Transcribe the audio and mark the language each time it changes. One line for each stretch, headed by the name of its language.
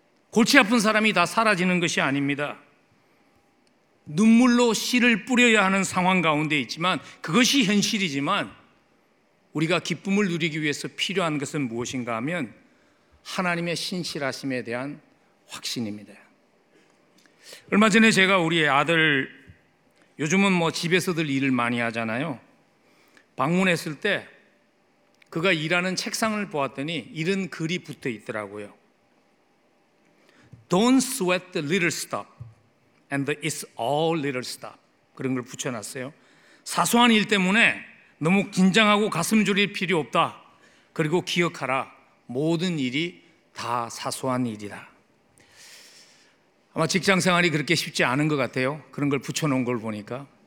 Korean: 골치 아픈 사람이 다 사라지는 것이 아닙니다. 눈물로 씨를 뿌려야 하는 상황 가운데 있지만, 그것이 현실이지만 우리가 기쁨을 누리기 위해서 필요한 것은 무엇인가 하면 하나님의 신실하심에 대한 확신입니다. 얼마 전에 제가 우리 아들, 요즘은 뭐 집에서들 일을 많이 하잖아요, 방문했을 때 그가 일하는 책상을 보았더니 이런 글이 붙어 있더라고요.
English: Don't sweat the little stuff and it's all little stuff.
Korean: 그런 걸 붙여놨어요. 사소한 일 때문에 너무 긴장하고 가슴 졸일 필요 없다. 그리고 기억하라, 모든 일이 다 사소한 일이다. 아마 직장 생활이 그렇게 쉽지 않은 것 같아요, 그런 걸 붙여놓은 걸 보니까.